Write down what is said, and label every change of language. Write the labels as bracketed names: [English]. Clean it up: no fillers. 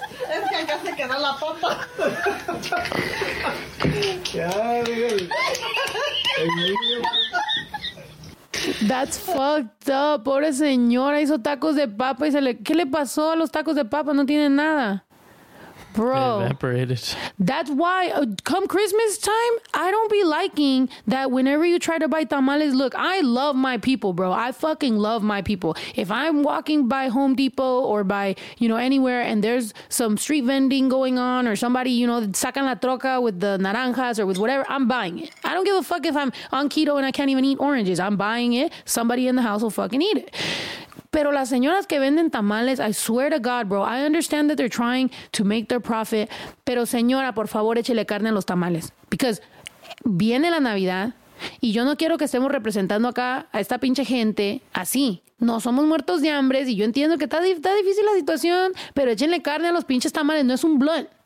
[Spanish] Es que acá se quedó la papa. Ya, [English] that's fucked up. [Spanish] Pobre señora, hizo tacos de papa y se le... ¿Qué le pasó a los tacos de papa? No tienen nada. [English] Bro, evaporated. That's why come Christmas time, I don't be liking that whenever you try to buy tamales. Look, I love my people, bro. I fucking love my people. If I'm walking by Home Depot or by, you know, anywhere and there's some street vending going on or somebody, you know, [Spanish] sacan la troca [English] with the naranjas or with whatever, I'm buying it. I don't give a fuck if I'm on keto and I can't even eat oranges. I'm buying it. Somebody in the house will fucking eat it. [Spanish] Pero las señoras que venden tamales, [English] I swear to God, bro, I understand that they're trying to make their profit. [Spanish] Pero señora, por favor, échele carne a los tamales. Because viene la Navidad y yo no quiero que estemos representando acá a esta pinche gente así. No somos muertos de hambre y yo entiendo que está difícil la situación, pero échenle carne a los pinches tamales. No es un blunt.